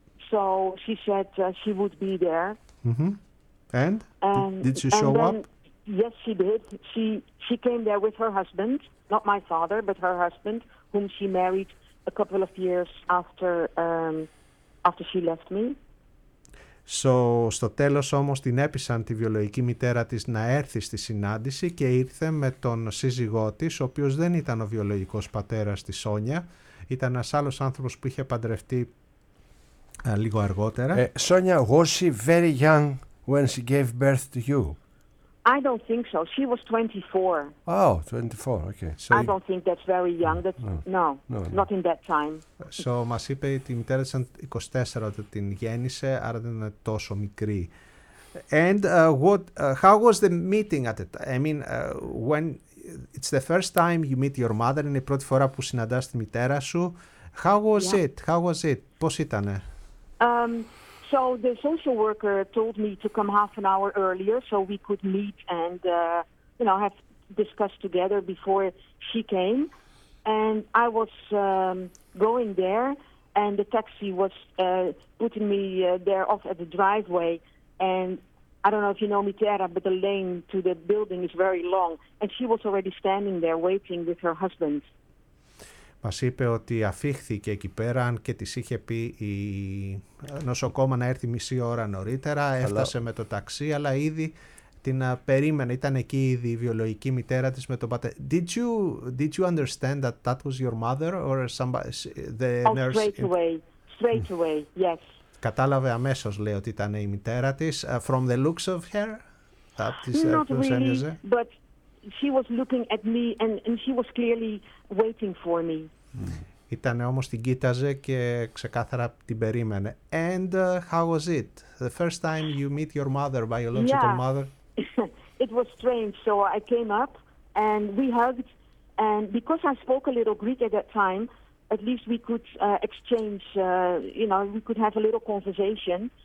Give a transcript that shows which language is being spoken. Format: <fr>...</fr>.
<en>So she said she would be there. Mm-hmm. And? Did she show up? Yes, she did. She came there with her husband, not my father, but her husband, whom she married a couple of years after she left me.</en> <el>So, στο τέλος όμως την έπεισαν τη βιολογική μητέρα της να έρθει στη συνάντηση και ήρθε με τον σύζυγό της, ο οποίος δεν ήταν ο βιολογικός πατέρας της Σόνια, ήταν ένας άλλος άνθρωπος που είχε παντρευτεί λίγο αργότερα.</el> <en>Σόνια, was she very young when she gave birth to you? I don't think so. She was 24. Oh, 24, okay. So I don't think that's very young. Not in that time.</en> <el>So, μας είπε η μητέρα ήταν 24 όταν την γέννησε, άρα δεν είναι τόσο μικρή.</el> <en>And how was the meeting at it? I mean, when it's the first time you meet your mother,</en> <el>είναι η πρώτη φορά που συναντάς τη μητέρα σου.</el> <en>How was it?</en> <el>Πώς ήτανε?</el> <en>So the social worker told me to come half an hour earlier so we could meet and have discussed together before she came. And I was going there and the taxi was putting me there off at the driveway. And I don't know if you know Mitera, but the lane to the building is very long. And she was already standing there waiting with her husband.</en> <el>Μας είπε ότι αφήχθηκε εκεί πέρα και της είχε πει η νοσοκόμα να έρθει μισή ώρα νωρίτερα. Έφτασε με το ταξί, αλλά ήδη την περίμενε. Ήταν εκεί ήδη η βιολογική μητέρα της με τον πατέρα.</el> <en>Did you understand that that was your mother or somebody, the nurse? Straight away, yes.</en> <el>Κατάλαβε αμέσως, λέει, ότι ήταν η μητέρα της.</el> <en>From the looks of her, that is really, but she was looking at me and she was clearly waiting for me.</en> <el>Ήταν όμως την κοίταζε και ξεκάθαρα την περίμενε.</el> <en>And how was it? The first time you meet your mother, biological mother? It was strange. So I came up and we hugged. And because I spoke a little Greek at that time, at least we could exchange, we could have a little conversation.</en>